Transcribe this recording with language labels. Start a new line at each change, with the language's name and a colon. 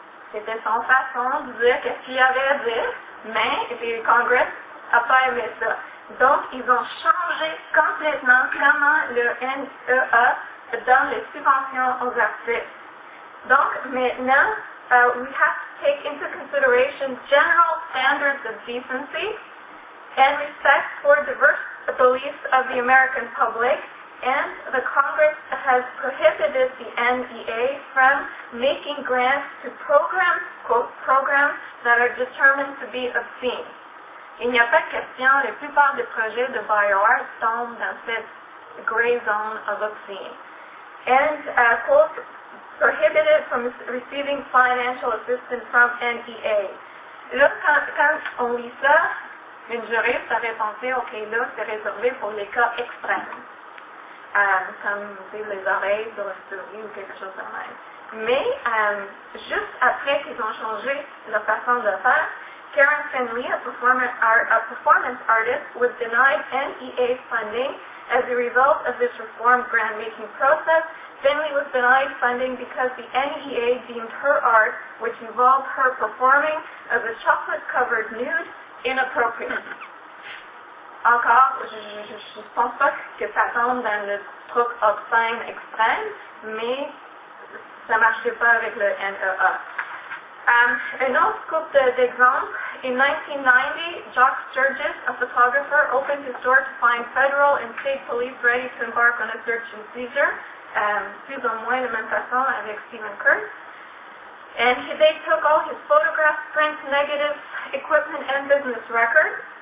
French: C'était son façon de dire qu'est-ce qu'il y avait à dire, mais le Congrès n'a pas aimé ça. Donc, ils ont changé complètement comment le NEA donne les subventions aux artistes. Donc, maintenant,
English: we have to take into consideration general standards of decency and respect for diverse beliefs of the American public, and the Congress has prohibited the NEA from making grants to programs, quote, programs that are determined to be obscene.
French: Il n'y a pas de question, la plupart des projets de BioArts tombent dans cette
English: gray zone of obscene. And, quote, prohibited from receiving financial assistance from NEA.
French: Là, quand on lit ça, une juriste aurait pensé, OK, là, c'est réservé pour les cas extrêmes. Comme dire les oreilles sur une souris ou quelque chose comme ça. Mais juste après qu'ils ont changé leur façon de faire,
English: Karen Finley, a performance artist, was denied NEA funding as a result of this reform grant-making process. Finley was denied funding because the NEA deemed her art, which involved her performing as a chocolate-covered nude, inappropriate.
French: Encore, je pense pas que ça tombe dans le truc obscène extrême, mais ça marchait pas avec le NEA. Un autre couple d'exemples.
English: In 1990, Jock Sturgis, a photographer, opened his door to find federal and state police ready to embark on a search and seizure.
French: Plus ou moins de même façon avec Stephen Kurtz.
English: And they took all his photographs, prints, negatives, equipment, and business records.